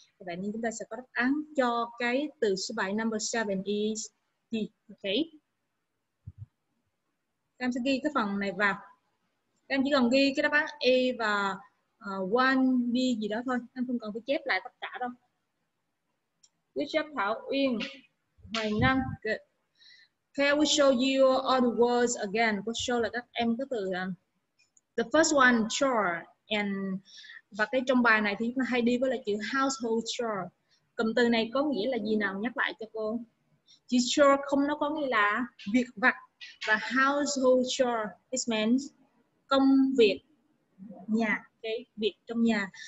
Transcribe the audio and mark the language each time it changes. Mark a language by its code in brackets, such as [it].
[vi] Vậy nên chúng ta sẽ có đáp án cho cái từ số 7, [en] number 7 is D. [vi] Okay. Em sẽ ghi cái phần này vào. Em chỉ cần ghi cái đáp án A và 1B gì đó thôi. Em không cần phải chép lại tất cả đâu. Quý chép Thảo Uyên, Hoài Năng, good. [en] Can we show you all the words again? [vi] Cô show là các em có từ the first one, chore. And và cái trong bài này thì chúng ta hay đi với là chữ household chore. Cụm từ này có nghĩa là gì nào? Nhắc lại cho cô. Chữ chore không, nó có nghĩa là việc vặt. Và household chore, [en] it means [vi] công việc nhà, cái việc trong nhà.